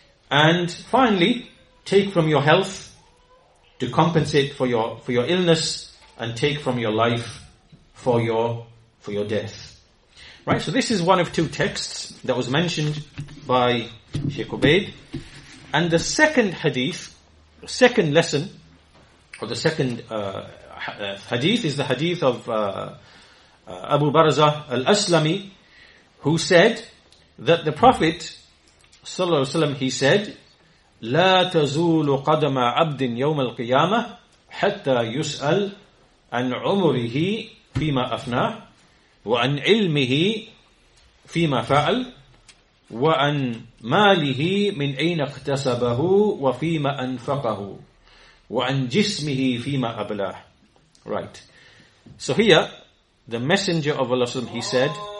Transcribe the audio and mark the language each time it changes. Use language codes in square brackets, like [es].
[en] And finally, take from your health to compensate for your illness, and take from your life for your death. Right, so this is one of two texts that was mentioned by Sheikh Ubaid. And the second hadith, second lesson, or the second hadith, is the hadith of Abu Barza al-Aslami, who said that the Prophet, sallallahu alaihi wasallam, he said, [ar] لا تزول قدم عبد يوم القيامة حتى يسأل عن عمره فيما أفناه وعن علمه فيما فعل وعن ماله من أين اكتسبه وفيما أنفقه وعن جسمه فيما أبلاه. [en] Right. So here, the Messenger of Allah, he said,